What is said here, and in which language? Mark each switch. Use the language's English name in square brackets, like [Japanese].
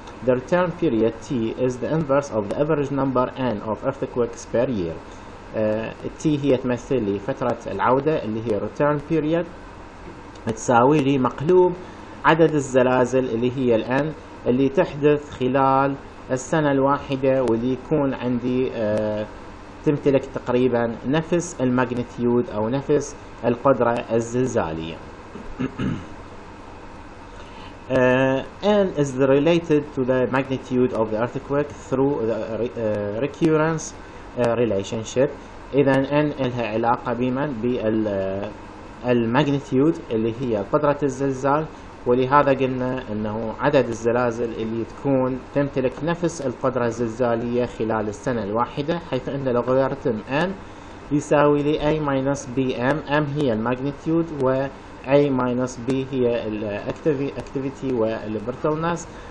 [English] The return period T is the inverse of the average number N of earthquakes per year. [Arabic] T هي تمثل لي فترة العودة اللي هي return period، تساوي لي مقلوب عدد الزلازل اللي هي ال N اللي تحدث خلال السنة الواحدة، واللي يكون عندي تمتلك تقريبا نفس الماجنتيود او نفس القدرة الزلزالية. [English] and is related to the magnitude of the earthquake through the recurrence relationship. [Arabic] إذا N لها علاقة بمن؟ بالماجنتيود اللي هي قدرة الزلزال، ولهذا قلنا أنه عدد الزلازل اللي تكون تمتلك نفس القدرة الزلزالية خلال السنة الواحدة، حيث أن لوغاريتم N يساوي لـ [English] A minus BM، [Arabic] M هي الماجنتيود و A minus B هي الـ activity والـ brittleness.